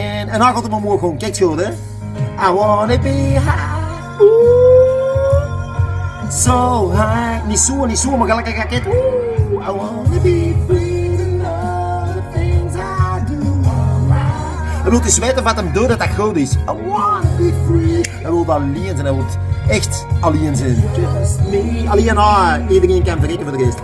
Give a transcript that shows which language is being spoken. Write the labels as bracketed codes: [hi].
[nl] En dan gaat hem omhoog gewoon, kijk goed hè. [en] I wanna be high, ooh, so high. [nl] Niet zo, niet zo, maar gelijk een raket. [en] I wanna be free to know the things I do. [nl] Hij wil dus weten wat hem doet dat dat goed is. [en] I wanna be free. [nl] Hij wil alleen zijn, hij wil echt alleen zijn. Alleen haar, iedereen kan verrekken voor de rest.